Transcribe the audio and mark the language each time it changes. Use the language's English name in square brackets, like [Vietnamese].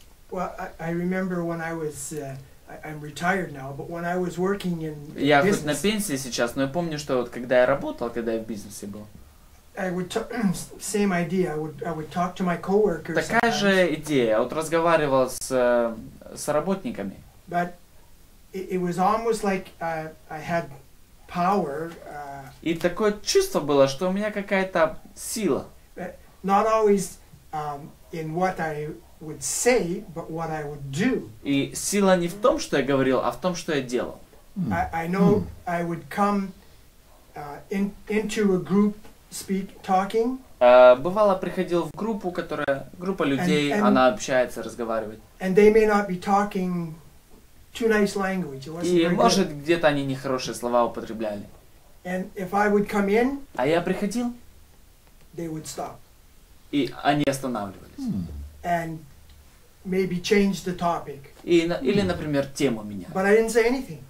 [English] Well, I remember when I was I'm retired now, but when I was working in [Russian] я [English] business, [Russian] хоть на пенсии сейчас, но я помню, что вот когда я работал, когда я в бизнесе был. [English] I would same idea. I would talk to my coworkers. [Russian] Такая же идея. Вот разговаривал с работниками. [English] But it was almost like I had power. [Russian] И такое чувство было, что у меня какая-то сила. [English] Not always in what I would say, but what I would do. [Russian] И сила не в том, что я говорил, а в том, что я делал. [English] I know I would come into a group talking. [Russian] Бывало, приходил в группу, которая группа людей, она общается, разговаривает. [English] And they may not be talking too nice language. It wasn't [Russian] и может где-то они нехорошие слова употребляли. [English] And if I would come in, [Russian] а я приходил, [English] they would stop. [Russian] И они останавливались. [English] And maybe change the topic. [Russian] И или, например, тему меняли. [English] But I didn't say anything.